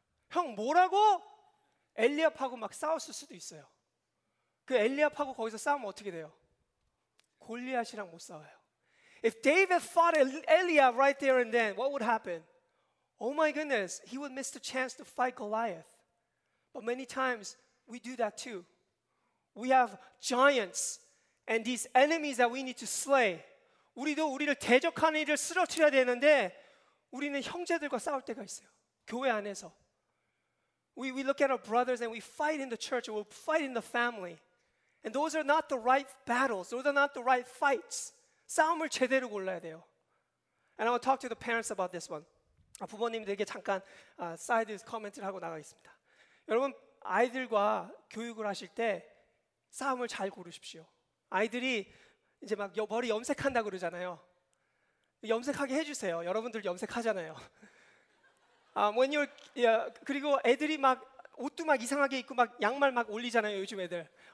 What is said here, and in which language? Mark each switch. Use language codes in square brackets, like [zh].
[ko] 형, 뭐라고? 엘리압하고 막 싸웠을 수도 있어요. 그 엘리압하고 거기서 싸우면 어떻게 돼요? 골리앗이랑 못 싸워요. [en] If David fought Eliab right there and then, what would happen? Oh my goodness, he would miss the chance to fight Goliath. But many times, we do that too. We have giants and these enemies that we need to slay. [ko] 우리도 우리를 대적하는 일을 쓰러트려야 되는데 우리는 형제들과 싸울 때가 있어요. 교회 안에서. [en] We look at our brothers and we fight in the church or we fight in the family. And those are not the right battles. Those are not the right fights. [ko] 싸움을 제대로 골라야 돼요. [en] And I will talk to the parents about this one. [ko] 부모님들에게 잠깐 사이드 코멘트를 하고 나가겠습니다. 여러분, 아이들과 교육을 하실 때 싸움을 잘 고르십시오. 아이들이 이제 막 머리 염색한다 그러잖아요. 염색하게 해주세요. 여러분들 염색하잖아요. [en] when you yeah, [ko] 그리고 애들이 막 옷도 막 이상하게 입고 막 양말 막 올리잖아요. 요즘 애들.